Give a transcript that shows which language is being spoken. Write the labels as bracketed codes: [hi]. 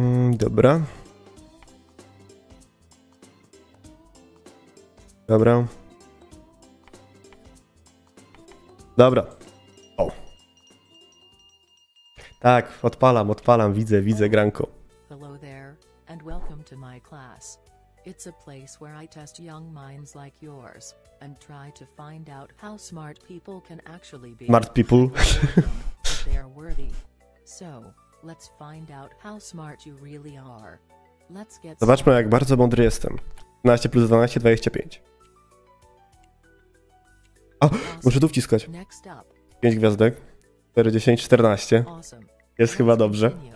[pl] Dobra. Dobra. Dobra. O. Tak, odpalam, widzę granko. [en] Hello there, and welcome to my class. It's a place where I test young minds like yours and try to find out how smart people can actually be. Smart people. They are worthy. So, let's find out how smart you really are. Let's get started. [pl] Zobaczmy, jak bardzo mądry jestem. 12 plus 12, 25. O, muszę tu wciskać. 5 gwiazdek. 4, 10, 14. Jest chyba dobrze.